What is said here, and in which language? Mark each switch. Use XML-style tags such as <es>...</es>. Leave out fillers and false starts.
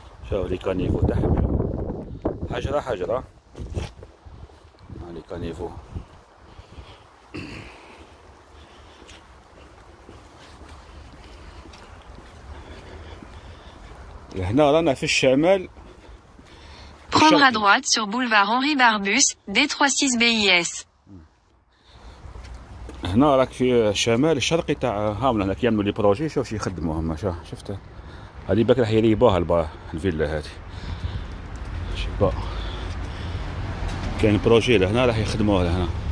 <ar>شوف لي كانيفو تحت حجرة حجرة، هاني كانيفو لهنا. رانا في الشمال.</ar> <fr>Prendre à droite sur boulevard Henri Barbus, D36 BIS.</fr> <ar>هنا راك في الشمال الشرقي تاع هامل، هناك يعملوا لي بروجي. شوف شي يخدموهم، شفته هادي باك راح يريبوها الفيلا هادي. شبا كاين بروجي لهنا راح يخدموها لهنا.</ar>